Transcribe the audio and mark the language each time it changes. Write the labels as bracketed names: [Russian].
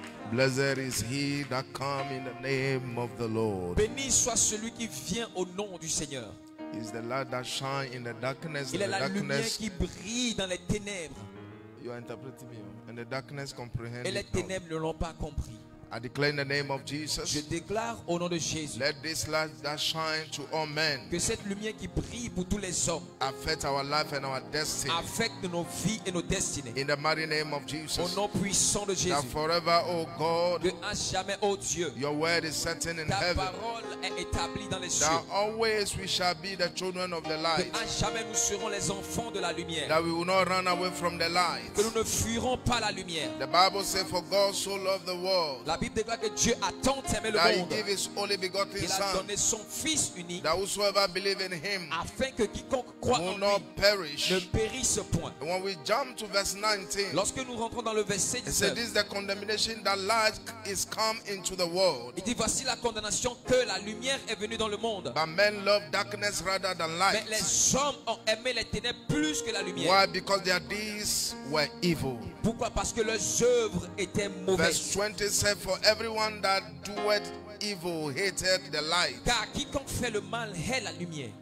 [English] Blessed is he that comes in the name of the Lord. [French] Béni soit celui qui vient au nom du Seigneur. [English] He is the light that shines in the darkness. [French] Il est la lumière qui brille dans les ténèbres. [English] You are interpreting me. And the darkness comprehends. [French] Et les ténèbres ne l'ont pas compris. [English] I declare in the name of Jesus. [French] Je déclare au nom de Jésus. [English] Let this light that shine to all men. [French] Que cette lumière qui brille pour tous les hommes. [English] Affect our life and our destiny. [French] Affecte nos vies et nos destinées. [English] In the mighty name of Jesus. [French] Au nom puissant de Jésus. [English] That forever, oh God. [French] De à jamais, oh Dieu. [English] Your word is certain in heaven. [French] Ta parole est établie dans les cieux. [English] That always we shall be the children of the light. [French] De à jamais, nous serons les enfants de la lumière. [English] That we will not run away from the light. [French] Que nous ne fuirons pas la lumière. [English] The Bible says, "For God so loved the world." [French] La Bible déclare que Dieu a tant aimé le monde. Il a donné son Fils unique. Afin que quiconque croit en lui ne périsse point. [English] When we jump to verse 19, [French] lorsque nous rentrons dans le verset 19, [English] this is the condemnation that light is come into the world. [French] Il dit voici la condamnation que la lumière est venue dans le monde. [English] But men love darkness rather than light. [French] Mais les hommes ont aimé les ténèbres plus que la lumière. [English] Why? Because their deeds were evil. [French] Pourquoi? Parce que leurs œuvres étaient mauvaises. [English] Verse 27. For everyone that doeth evil hated the light. [French] Car quiconque fait le mal hait la lumière.